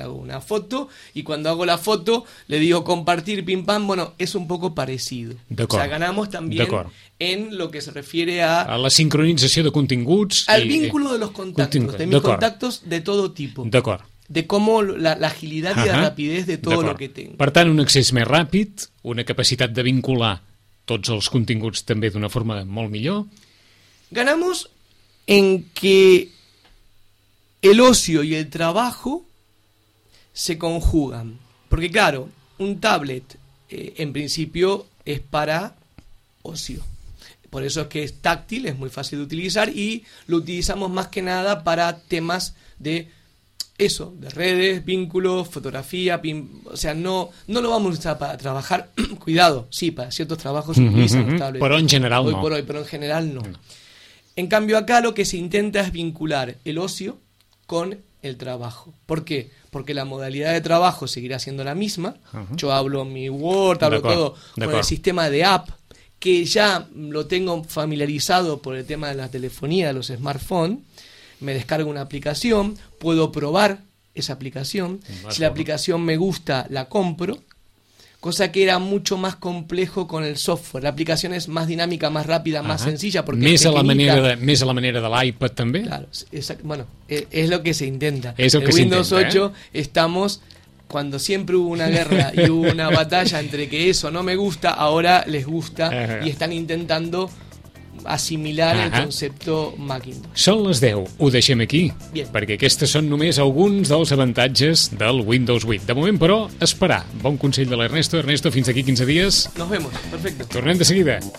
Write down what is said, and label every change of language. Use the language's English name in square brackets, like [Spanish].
[Spanish] Hago una foto y cuando hago la foto le digo compartir, pim pam, bueno, es un poco parecido. [Catalan] D'acord. [Spanish] O sea, ganamos también [Catalan] D'acord. [Spanish] En lo que se refiere a... A la sincronización de continguts. Al vínculo de los contactos, de mis [Catalan] D'acord. [Spanish] Contactos de todo tipo. D'acord. De cómo la agilidad y la rapidez de todo [Catalan] D'acord. [Spanish] Lo que tengo. [Catalan] Per tant, un accés més ràpid, una capacitat de vincular tots els continguts també d'una forma molt millor. [Spanish] Ganamos... en que el ocio y el trabajo se conjugan. Porque claro, un tablet en principio es para ocio. Por eso es que es táctil, es muy fácil de utilizar y lo utilizamos más que nada para temas de eso, de redes, vínculos, fotografía, o sea, no lo vamos a usar para trabajar. Cuidado, sí, para ciertos trabajos se utilizan los tablets. Pero en general hoy no. Por hoy, pero en general no. En cambio, acá lo que se intenta es vincular el ocio con el trabajo. ¿Por qué? Porque la modalidad de trabajo seguirá siendo la misma. Yo hablo mi Word, hablo [Catalan] D'accord. [Spanish] Todo [Catalan] D'accord. [Spanish] Con el sistema de app, que ya lo tengo familiarizado por el tema de la telefonía, de los smartphones. Me descargo una aplicación, puedo probar esa aplicación. [Catalan] D'accord. [Spanish] Si la aplicación me gusta, la compro. Cosa que era mucho más complejo con el software. La aplicación es más dinámica, más rápida, más sencilla. Porque [Catalan] més, a la manera de, més a la manera de l'iPad també. [Spanish] Claro, bueno, es lo que se intenta. [Catalan] És el que s'intenta, [Spanish] Windows 8 estamos, cuando siempre hubo una guerra y hubo una batalla entre que eso no me gusta, ahora les gusta y están intentando assimilar el concepto Macintosh. [Catalan] Són les 10, ho deixem aquí. [Spanish] Bien. [Catalan] Perquè aquestes són només alguns dels avantatges del Windows 8. De moment, però, esperar. Bon consell de l'Ernesto. Ernesto, fins aquí 15 dies. [Spanish] Nos vemos. Perfecto. [Catalan] Tornem de seguida.